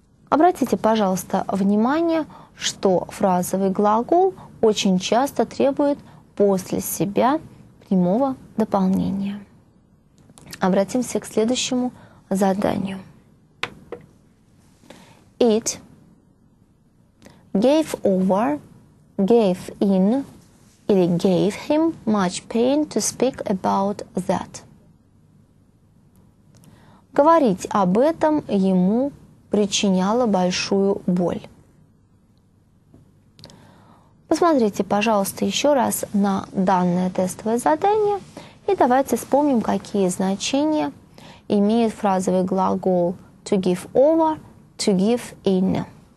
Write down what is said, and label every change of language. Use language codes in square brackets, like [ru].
[ru] Обратите, пожалуйста, внимание, что фразовый глагол очень часто требует после себя прямого дополнения. Обратимся к следующему заданию. [en] It gave over, gave in, [ru] или [en] gave him much pain to speak about that. [ru] Говорить об этом ему причиняло большую боль. Посмотрите, пожалуйста, еще раз на данное тестовое задание и давайте вспомним, какие значения имеет фразовый глагол [en] to give over, to give in.